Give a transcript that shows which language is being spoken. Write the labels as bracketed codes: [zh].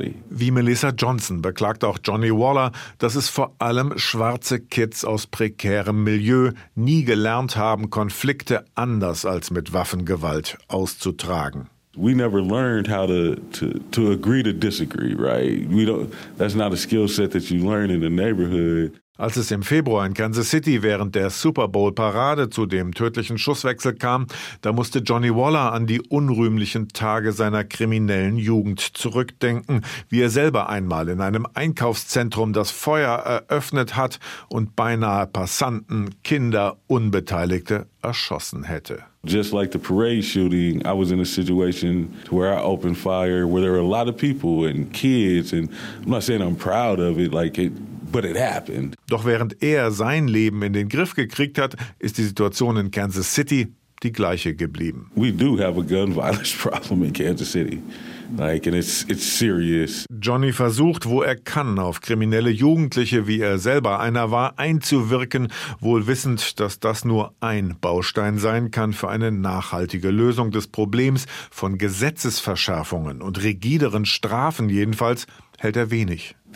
[de] Wie Melissa Johnson beklagt auch Johnny Waller, dass es vor allem schwarze Kids aus prekärem Milieu nie gelernt haben, Konflikte anders als mit Waffengewalt auszutragen. [en] We never learned how to agree to disagree, right? We don't. That's not a skill set that you learn in the neighborhood. [de] Als es im Februar in Kansas City während der Super Bowl-Parade zu dem tödlichen Schusswechsel kam, da musste Johnny Waller an die unrühmlichen Tage seiner kriminellen Jugend zurückdenken, wie er selber einmal in einem Einkaufszentrum das Feuer eröffnet hat und beinahe Passanten, Kinder, Unbeteiligte erschossen hätte. [en] Just like the parade shooting, I was in a situation where I opened fire, where there were a lot of people and kids, and I'm not saying I'm proud of it, like it. But it happened. [de] Doch während er sein Leben in den Griff gekriegt hat, ist die Situation in Kansas City die gleiche geblieben. [en] We do have a gun violence problem in Kansas City. Like, and it's serious. [de] Johnny versucht, wo er kann, auf kriminelle Jugendliche, wie er selber einer war, einzuwirken, wohl wissend, dass das nur ein Baustein sein kann für eine nachhaltige Lösung des Problems. Von Gesetzesverschärfungen und rigideren Strafen jedenfalls hält er wenig.